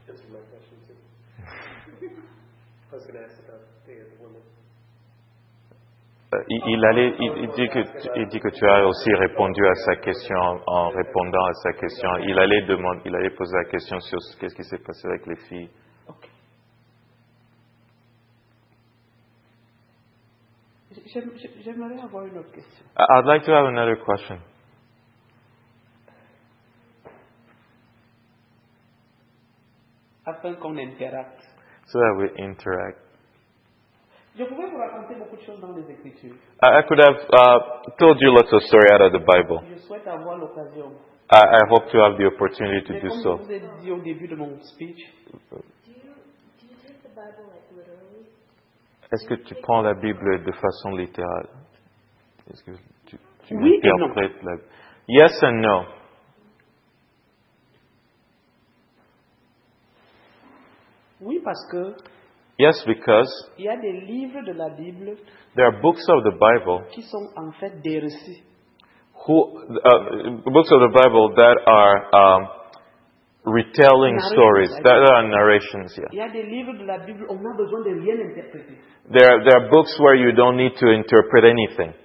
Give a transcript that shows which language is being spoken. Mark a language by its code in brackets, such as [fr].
[en] Yes, my question too. I was going to ask about the woman. [fr] Il dit que tu as aussi répondu à sa question en répondant à sa question. Il allait poser la question sur qu'est-ce qui s'est passé avec les filles. [en] Okay. [fr] J'aimerais avoir une autre question. [en] I'd like to have another question. [fr] Afin qu'on interacte. [en] So that we interact. [fr] Je pouvais vous raconter beaucoup de choses dans les Écritures. [en] I could have told you lots of stories out of the Bible. [fr] Je souhaite avoir l'occasion. [en] I hope to have the opportunity to [fr] mais [en] do [fr] comme [en] so. [fr] Comme je vous ai dit au début de mon speech. [en] Do you take the Bible like literally? [fr] Est-ce que tu prends la Bible de façon littérale? tu oui interprètes la... [en] Yes and no. [fr] Oui, parce que [en] yes, because [fr] il y a des livres de la Bible, [en] there are books of the Bible [fr] qui sont en fait des récits. [en] Books of the Bible that are retelling stories, that are narrations. Yeah. There are books where you don't need to interpret anything.